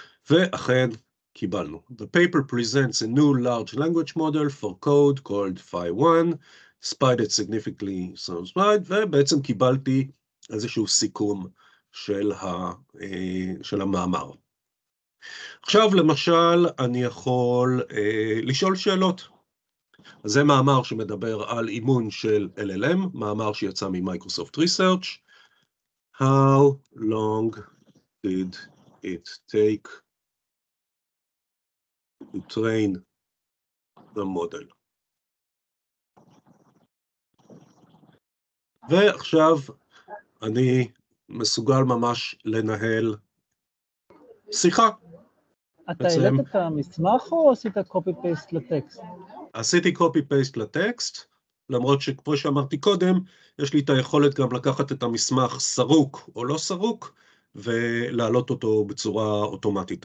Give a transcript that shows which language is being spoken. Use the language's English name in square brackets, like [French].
[Hebrew] ואכן, קיבלנו. [English] The paper presents a new large language model for code called Phi-1, spited significantly some spite, [Hebrew] ובעצם קיבלתי איזשהו סיכום של המאמר. עכשיו למשל אני יכול לשאול שאלות. זה מאמר שמדבר על אימון של LLM, מאמר שיצא ממייקרוסופט ריסרצ'. [English] How long did it take to train the model? [Hebrew] ועכשיו אני מסוגל ממש לנהל שיחה. אתה העלית את המסמך או עשית copy-paste לטקסט? עשיתי copy-paste לטקסט, למרות שכמו שאמרתי קודם, יש לי את היכולת גם לקחת את המסמך סרוק או לא סרוק, ולהעלות אותו בצורה אוטומטית.